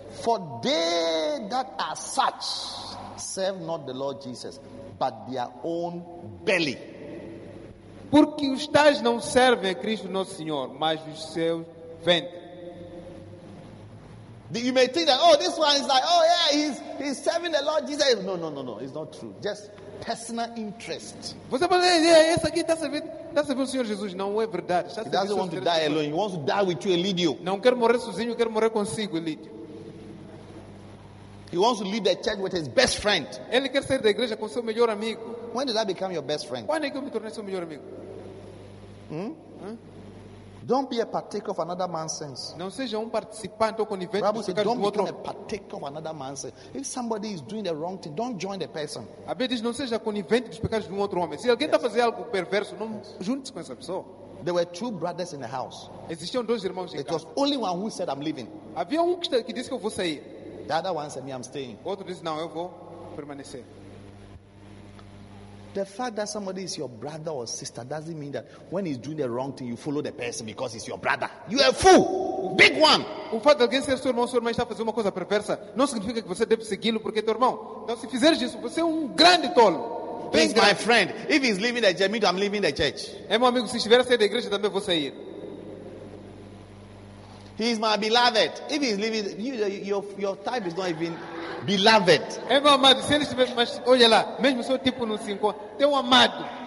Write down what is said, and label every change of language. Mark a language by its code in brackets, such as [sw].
[en] For they that are such serve not the Lord Jesus, but their own belly. [pt] Porque os tais não servem a Cristo nosso Senhor, mas os seus ventres. [en] You may think that, oh, this one is like, oh yeah, he's serving the Lord Jesus. No, it's not true. Just personal interest. [pt] Você pode dizer, yeah, esse aqui está servindo. Está servindo o Senhor Jesus, não é verdade. [en] He doesn't want to die alone. He wants to die with you, Elidio. [pt] Não quer morrer sozinho, quer morrer consigo, Elidio. [en] He wants to leave the church with his best friend. [pt] Ele quer sair da igreja com seu melhor amigo. [en] When did I become your best friend? [pt] Quando é que eu me tornei seu melhor amigo? [en] Don't be a partaker of another man's sense. [pt] Não seja participante ou conivente. [en] Bible says, don't be a partaker of another man's sense. If somebody is doing the wrong thing, don't join the person. [pt] A Bíblia diz, não seja conivente dos pecados de outro homem. Se alguém está fazendo algo perverso, não junte-se com essa pessoa. [en] There were two brothers in the house. [pt] Existiam dois irmãos em casa. [en] It was only one who said, I'm leaving. [pt] Havia que disse que eu vou sair. [en] The other one said, me, I'm staying. [pt] Outro disse, não, eu vou permanecer. [en] The fact that somebody is your brother or sister doesn't mean that when he's doing the wrong thing, you follow the person because he's your brother. You are a fool. Big one. [pt] O fato de alguém ser seu irmão está fazendo uma coisa perversa não significa que você deve segui-lo porque é teu irmão. Então, se fizeres isso, você é grande tolo. [en] He's my friend. If he's leaving the church, I'm leaving the church. [pt] É meu amigo. Se estiver a sair da igreja, também vou sair. [en] He's my beloved. If he's leaving, your type is not even beloved. [pt] É meu amado. Se ele estiver, mas olha lá, mesmo seu tipo não se encontra, tem um amado.